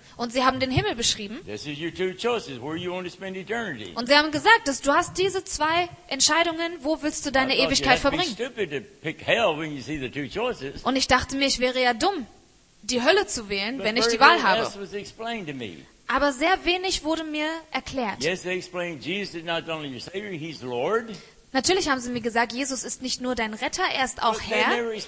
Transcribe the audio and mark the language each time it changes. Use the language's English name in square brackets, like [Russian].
[German] Und sie haben den Himmel beschrieben. [English] This is your two choices. Where you want to spend eternity. [German] Und sie haben gesagt, dass du hast diese 2 Entscheidungen, wo willst du deine Ewigkeit verbringen? Und ich dachte mir, ich wäre ja dumm, die Hölle zu wählen, [English] but [German] wenn ich die Wahl habe. [English] Was explained to me. [German] Aber sehr wenig wurde mir erklärt. [English] Yes, they explained Jesus is not only your Savior, he's Lord. [German] Natürlich haben sie mir gesagt, Jesus ist nicht nur dein Retter, er ist auch Herr.